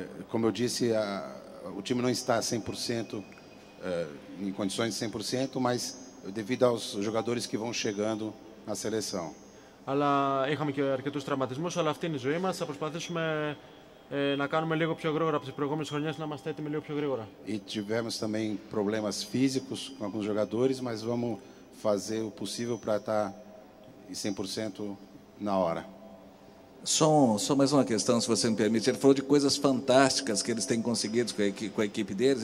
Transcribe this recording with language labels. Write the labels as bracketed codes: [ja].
[pt] Como eu disse, o time não está 100% em condições de 100%, mas devido aos jogadores que vão chegando na seleção. [el] Αλλά είχαμε και αρκετούς τραυματισμούς, αλλά αυτή είναι η ζωή μας. Θα προσπαθήσουμε να κάνουμε λίγο πιο γρήγορα από τις προηγούμενες χρονιές, να είμαστε έτοιμοι λίγο πιο γρήγορα. [pt] E tivemos também problemas físicos com alguns jogadores, mas vamos fazer o possível para estar 100% na hora. Só mais uma questão, se você me permite. Ele falou de coisas fantásticas que eles têm conseguido com a equipe deles.